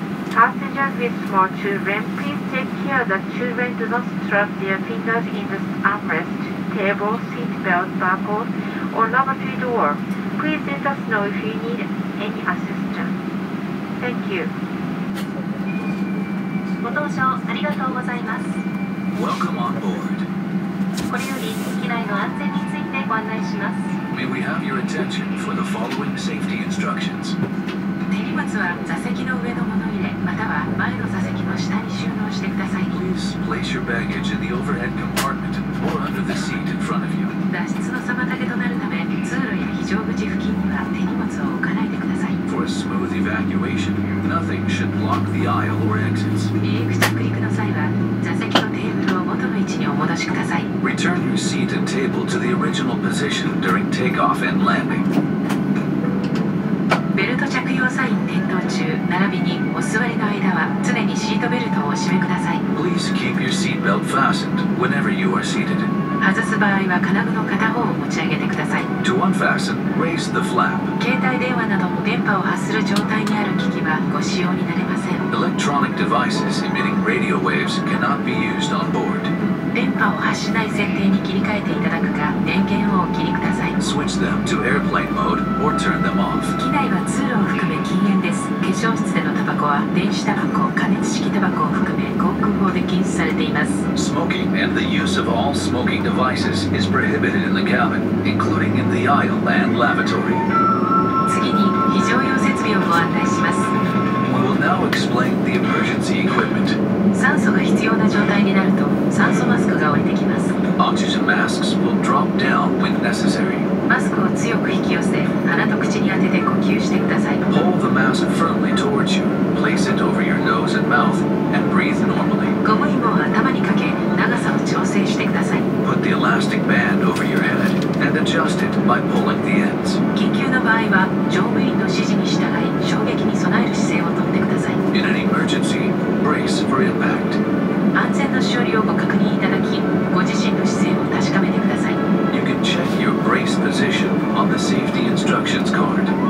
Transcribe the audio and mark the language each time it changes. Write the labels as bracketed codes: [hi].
[en] Passengers with small children, please take care that children do not strap their fingers in the armrest, table, seat belt, buckle, or lavatory door. Please let us know if you need any assistance. Thank you. [ja] ご搭乗ありがとうございます。 [en] Welcome on board. [ja] これより機内の安全についてご案内します。 [en] May we have your attention for the following safety instructions. [ja] 手荷物は座席の上のもの入れ、または前の座席の下に収納してください。 [en] Please place your baggage in the overhead compartment or under the seat in front of you. [ja] 脱出の妨げとなるため、通路や非常口付近には手荷物を置かないでください。 [en] For a smooth evacuation, nothing should block the aisle or exits. [ja] 離陸着陸の際は、座席とテーブルを元の位置にお戻しください。 [en] Return your seat and table to the original position during takeoff and landing. [ja] ベルト着用サイン点灯中、並びにお座りの間は常にシートベルトをお締めください。 [en] Please keep your seat belt fastened whenever you are seated. [ja] 外す場合は金具の片方を持ち上げてください。 [en] To unfasten, raise the flap. [ja] 携帯電話など電波を発する状態にある機器はご使用になれません。 [en] Electronic devices emitting radio waves cannot be used on board. [ja] 電波を発しない設定に切り替えていただくか、電源をお切りください。 [en] Switch them to airplane mode or turn them off. [ja] 機内は通路を含め禁煙です。化粧室でのタバコは電子タバコ、加熱式タバコを含め航空法で禁止されています。 [en] Smoking and the use of all smoking devices is prohibited in the cabin, including in the aisle and lavatory. [ja] 次に非常用設備をご案内します。 [en] We will now explain the emergency equipment. [ja] 酸素が必要な状態になると、酸素マスクが降りてきます。 [en] Oxygen masks will drop down when necessary. [ja] マスクを強く引き寄せ、鼻と口に当てて呼吸してください。 [en] Hold the mask firmly towards you. Place it over your nose and mouth and breathe normally. [ja] ゴム紐を頭にかけ、長さを調整してください。 [en] Put the elastic band over your head and adjust it by pulling the ends. [ja] 緊急の場合は、乗務員の指示に従い、衝撃に備える姿勢をとってください。 [en] In an emergency,Brace for impact. [ja] 安全の処理をご確認いただき、ご自身の姿勢を確かめてください。 [en] You can check your brace position on the safety instructions card.